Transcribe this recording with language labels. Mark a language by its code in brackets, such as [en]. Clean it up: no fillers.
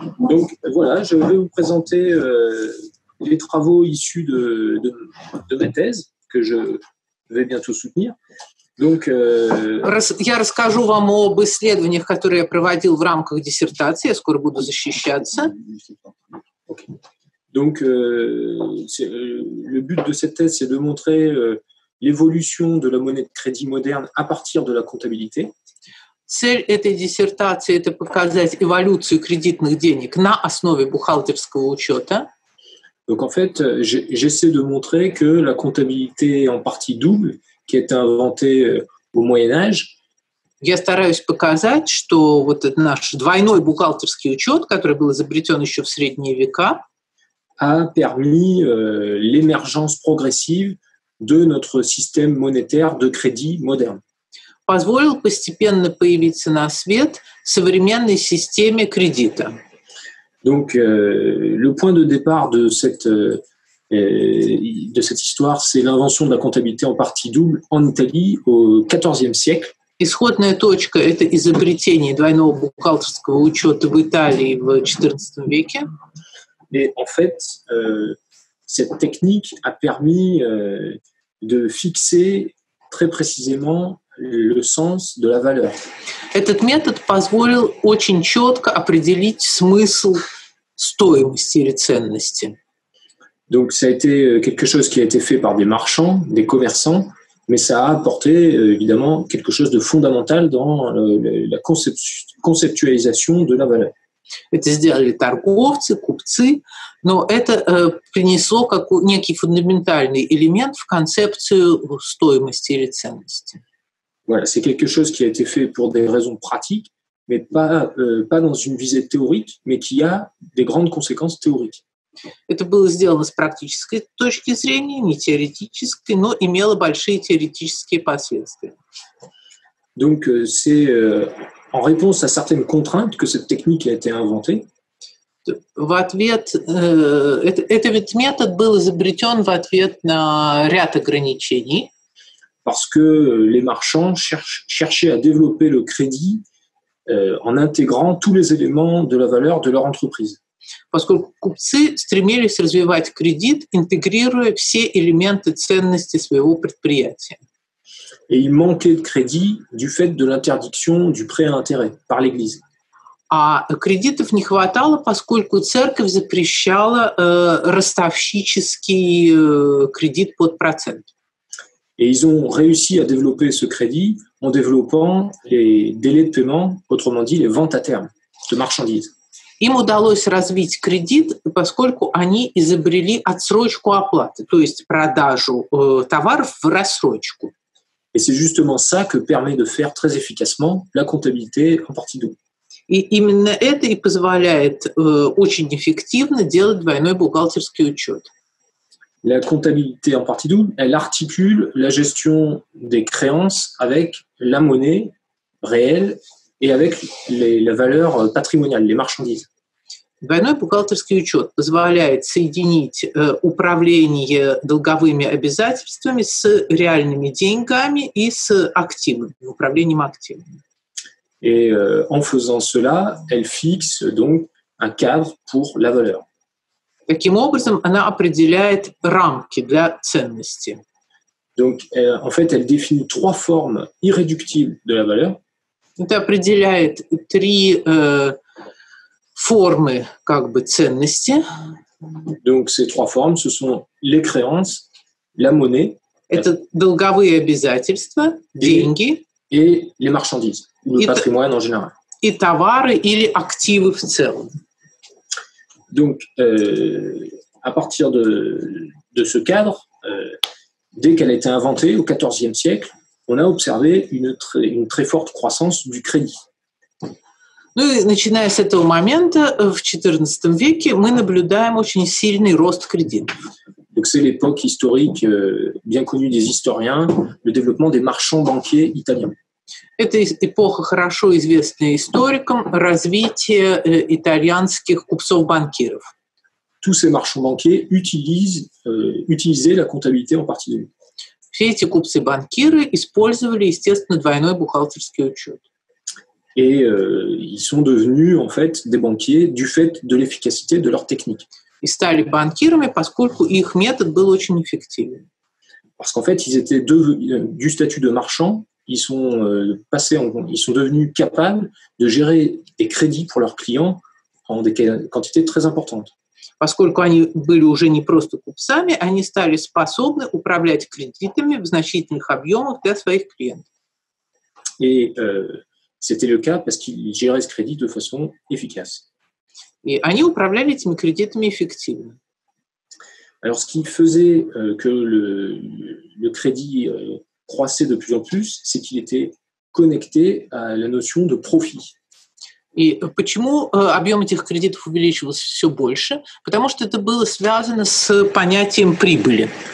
[fr] Donc voilà, je vais vous présenter les travaux issus de ma thèse que je vais bientôt soutenir. Donc, [ru] я расскажу вам об исследованиях, которые я проводил в рамках диссертации. Я скоро буду защищаться. Okay. [fr] Donc, le but de cette thèse, c'est de montrer l'évolution de la monnaie de crédit moderne à partir de la comptabilité. [ru] Цель этой диссертации – это показать эволюцию кредитных денег на основе бухгалтерского учета. [fr] Donc, en fait, j'essaie de montrer que la comptabilité en partie double, qui a été inventée au Moyen-Âge. [ru] Я стараюсь показать, что вот этот наш двойной бухгалтерский учет, который был изобретен еще в средние века, [fr] a permis l'émergence progressive de notre système monétaire de crédit moderne. [ru] Позволил постепенно появиться на свет современной системе кредита. [fr] Donc, le point de départ de cette histoire, c'est l'invention de la comptabilité en partie double en Italie au XIVe siècle. [ru] Исходная точка – это изобретение двойного бухгалтерского учета в Италии в XIV веке. [fr] Et en fait, cette technique a permis de fixer très précisément le sens de la valeur. [ru] Этот метод позволил очень четко определить смысл стоимости или ценности. [fr] Donc ça a été quelque chose qui a été fait par des marchands, des commerçants, mais ça a apporté évidemment quelque chose de fondamental dans la conceptualisation de la valeur. [ru] Это сделали торговцы, купцы, но это принесло как некий фундаментальный элемент в концепцию стоимости или ценности. [fr] Voilà, c'est quelque chose qui a été fait pour des raisons pratiques, mais pas dans une visée théorique, mais qui a des grandes conséquences théoriques. [ru] Это было сделано с практической точки зрения, не теоретической, но имело большие теоретические последствия. [fr] Donc, c'est en réponse à certaines contraintes que cette technique a été inventée. [ru] В ответ, этот метод был изобретен в ответ на ряд ограничений. [fr] Parce que les marchands cherchaient à développer le crédit en intégrant tous les éléments de la valeur de leur entreprise. [ru] Поскольку купцы стремились развивать кредит, интегрируя все элементы ценности своего предприятия. [fr] Et ils manquaient de crédit du fait de l'interdiction du prêt à intérêt par l'Église. [ru] А кредитов не хватало, поскольку церковь запрещала ростовщический кредит под процент. [fr] Et ils ont réussi à développer ce crédit en développant les délais de paiement, autrement dit les ventes à terme de marchandises. [ru] Им удалось развить кредит, поскольку они изобрели отсрочку оплаты, то есть продажу товаров в рассрочку. [fr] Et c'est justement ça que permet de faire très efficacement la comptabilité en partie double. [ru] И именно это и позволяет очень эффективно делать двойной бухгалтерский учет. [fr] La comptabilité en partie double, elle articule la gestion des créances avec la monnaie réelle et avec la valeur patrimoniale, les marchandises. [ru] Двойной бухгалтерский учет позволяет соединить управление долговыми обязательствами с реальными деньгами и с активами, управлением активами. [fr] Et en faisant cela, elle fixe donc un cadre pour la valeur. [ru] Таким образом, она определяет рамки для ценности. [fr] Donc, en fait, elle définit trois formes irréductibles de la valeur. [ru] Это определяет три формы как бы ценности. [fr] Donc, ces trois formes, ce sont les créances, la monnaie. [ru] Это долговые обязательства, деньги. [fr] Et les marchandises, ou le patrimoine en général. [ru] И товары или активы в целом. [fr] Donc, à partir de ce cadre, dès qu'elle a été inventée au XIVe siècle, on a observé une très forte croissance du crédit. [ru] Ну, начиная с этого момента, в XIV веке, мы наблюдаем очень сильный рост кредитов. [fr] Donc, c'est l'époque historique, bien connue des historiens, le développement des marchands banquiers italiens. [ru] Это эпоха, хорошо известная историкам, развитие итальянских купцов-банкиров. [fr] Tous ces marchands-banquiers utilisaient la comptabilité en partie double. [ru] Все эти купцы-банкиры использовали, естественно, двойной бухгалтерский учет. [fr] Et ils sont devenus, en fait, des banquiers du fait de l'efficacité de leur technique. Ils [ru] стали банкирами, поскольку их метод был очень эффективен. [fr] Parce qu'en fait, ils étaient du statut de marchand, ils sont devenus capables de gérer des crédits pour leurs clients en des quantités très importantes. [ru] Поскольку они были уже не просто купцами, они стали способны управлять кредитами в значительных объемах для своих клиентов. [fr] Et c'était le cas parce qu'ils géraient ce crédit de façon efficace. [ru] И они управляли этими кредитами эффективно. [fr] Alors, ce qui faisait que le crédit croissait de plus en plus, c'est qu'il était connecté à la notion de profit. [ru] И почему объем этих кредитов увеличивался все больше? Потому что это было связано с понятием прибыли.